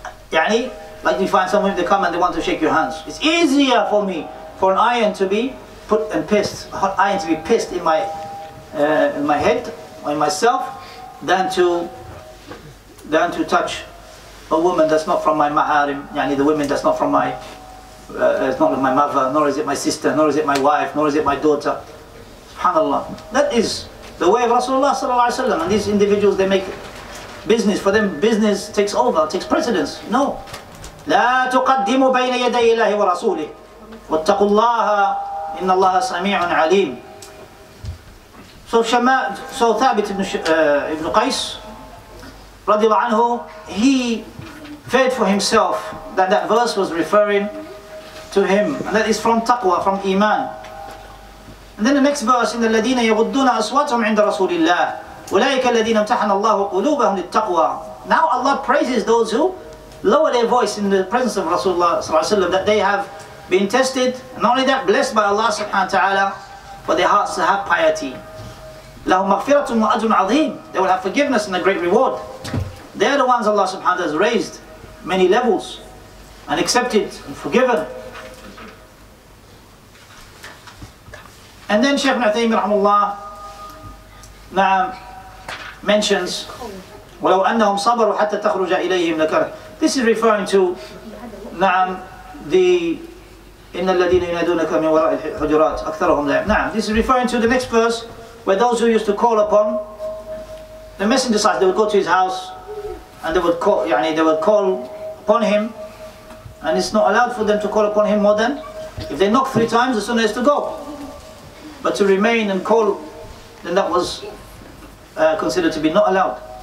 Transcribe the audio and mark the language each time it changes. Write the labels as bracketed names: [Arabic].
[English] Yani, like you find someone, they come and they want to shake your hands. It's easier for me for an iron to be put and pierced, a hot iron to be pierced in my head or in myself than to touch a woman that's not from my maharim, yani the women that's not from my, it's not my mother, nor is it my sister, nor is it my wife, nor is it my daughter. SubhanAllah. That is the way of Rasulullah sallallahu alaihi wasallam. And these individuals, they make business. For them, business takes over, takes precedence. No. [Arabic] لا تقدموا بين يدي الله ورسوله واتقوا الله إن الله سميع عليم. [English] So Thabit ibn Qais, radiallahu anhu, he feared for himself that verse was referring to him, and that is from taqwa, from iman. And then the next verse, in the [Arabic] الذين يغضون أصواتهم عند رسول الله أولئك الذين امتحن الله قلوبهم للتقوى. [English] Now Allah praises those who lower their voice in the presence of Rasulullah sallallahu alaihi wasallam, that they have been tested, not only that, blessed by Allah subhanahu wa ta'ala, but their hearts have piety. [Arabic] لهم مغفرة وأجر عظيم. [English] They will have forgiveness and a great reward. They are the ones Allah subhanahu wa ta'ala has raised many levels and accepted and forgiven. And then Shaykh ibn Uthaymeen rahimahullah mentions, [Arabic] وَلَوْ أَنَّهُمْ صَبَرُوا حَتَّى تَخْرُجَ إِلَيْهِمْ لَكَرَهُ. [English] This is referring to the [Arabic] إِنَّ الَّذِينَ يُنَادُونَكَ مِنْ وَرَاءِ الْحُجُرَاتِ أَكْثَرَهُمْ لَا. [English] This is referring to the next verse where those who used to call upon the messenger side, they would go to his house and they would call upon him, and it's not allowed for them to call upon him more than, if they knock three times, the sunnah is to go. But to remain and call, then that was considered to be not allowed.